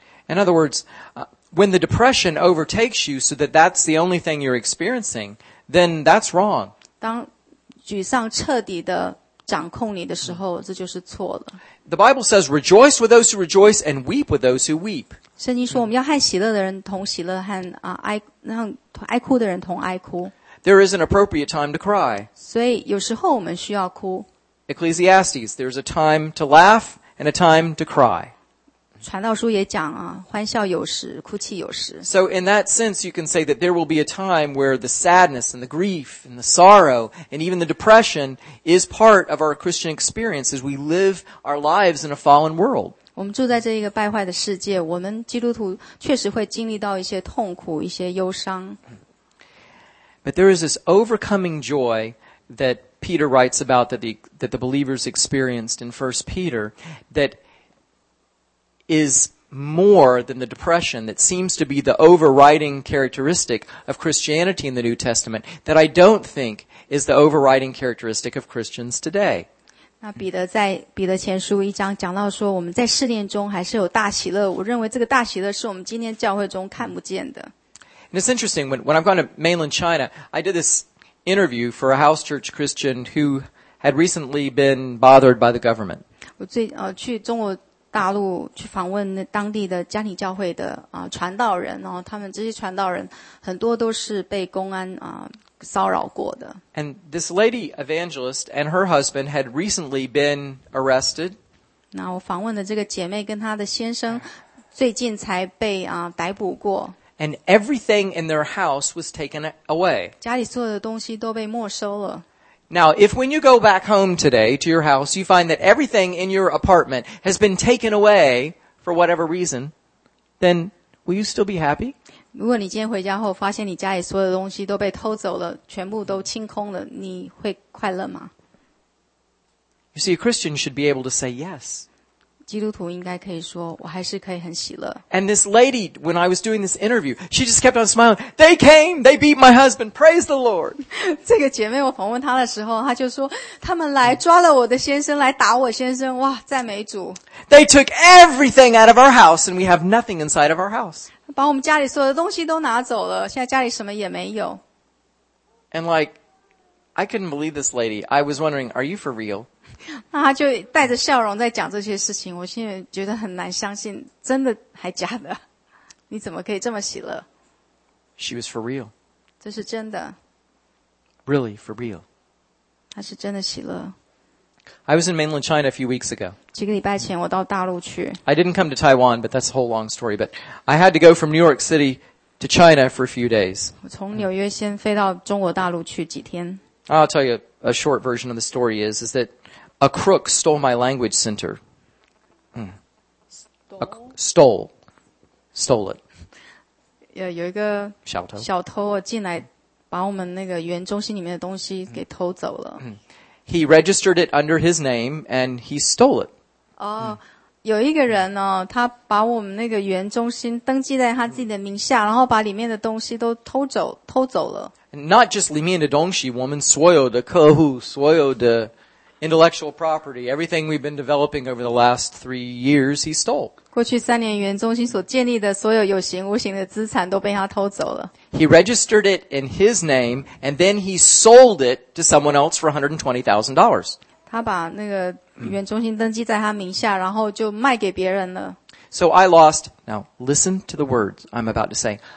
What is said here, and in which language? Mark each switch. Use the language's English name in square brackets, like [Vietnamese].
[English] In other words,When the depression overtakes you so that that's the only thing you're experiencing, then that's wrong. [Chinese] 当沮丧彻底的掌控你的时候这就是错了。 [English] The Bible says rejoice with those who rejoice and weep with those who weep. [Chinese] 圣经说我们要和喜乐的人同喜乐和爱哭的人同爱哭。 [English] There is an appropriate time to cry. [Chinese] 所以有时候我们需要哭。 [English] Ecclesiastes, there's a time to laugh and a time to cry. [Chinese] 传道书也讲啊，欢笑有时，哭泣有时。 [English] So in that sense, you can say that there will be a time where the sadness and the grief and the sorrow and even the depression is part of our Christian experience as we live our lives in a fallen world. [Chinese] 我们住在这一个败坏的世界，我们基督徒确实会经历到一些痛苦，一些忧伤。 [English] But there is this overcoming joy that Peter writes about that the believers experienced in 1 Peter that is more than the depression that seems to be the overriding characteristic of Christianity in the New Testament that I don't think is the overriding characteristic of Christians today. [Chinese] 那彼得在彼得前书一章讲到说我们在试炼中还是有大喜乐，我认为这个大喜乐是我们今天教会中看不见的。 [English] And it's interesting, when I've gone to mainland China, I did this interview for a house church Christian who had recently been bothered by the government. [Chinese] 我最去中国大陆去访问那当地的家庭教会的传道人，然后他们这些传道人很多都是被公安骚扰过的。 [English] And this lady evangelist and her husband had recently been arrested. [Chinese] 那我访问的这个姐妹跟她的先生最近才被逮捕过。 [English] And everything in their house was taken away. [Chinese] 家里所有的东西都被没收了。 [English] Now, if when you go back home today to your house, you find that everything in your apartment has been taken away for whatever reason, then will you still be happy? [Chinese] 如果你今天回家后发现你家里所有的东西都被偷走了，全部都清空了，你会快乐吗？ [English] You see, a Christian should be able to say yes. [Chinese] 基督徒应该可以说我还是可以很喜乐。 [English] And this lady, when I was doing this interview, she just kept on smiling. They came, they beat my husband, praise the Lord. [Chinese] 这个姐妹我访问她的时候她就说他们来抓了我的先生来打我先生，哇，赞美主。 [English] They took everything out of our house and we have nothing inside of our house. [Chinese] 把我们家里所有的东西都拿走了，现在家里什么也没有。 [English] And like, I couldn't believe this lady. I was wondering, are you for real? [Chinese] 那他就带着笑容在讲这些事情，我现在觉得很难相信，真的还假的？你怎么可以这么喜乐 [English] ？She was for real. [Chinese] 这是真的。 [English] Really for real. [Chinese] 他是真的喜乐。 [English] I was in mainland China a few weeks ago. [Chinese] 几个礼拜前我到大陆去。 [English] I didn't come to Taiwan, but that's a whole long story. But I had to go from New York City to China for a few days. [Chinese] 我从纽约先飞到中国大陆去几天。 [English] I'll tell you a short version of the story is that. A crook stole my language center. Stole it. [Chinese] 有一个小偷，小偷进来把我们那个园中心里面的东西给偷走了。 [English] He registered it under his name and he stole it. [Chinese] 有一个人呢，他把我们那个园中心登记在他自己的名下，然后把里面的东西都偷走了。 [English] Not just [Chinese] 里面的东西，我们所有的客户，所有的 [English] intellectual property, everything we've been developing over the last 3 years, he stole. [Chinese] 过去三年原中心所建立的所有有形无形的资产都被他偷走了。 [English] He registered it in his name, and then he sold it to someone else for $120,000. [Chinese] 他把那个原中心登记在他名下，然后就卖给别人了。 [English] So I lost, now listen to the words I'm about to say.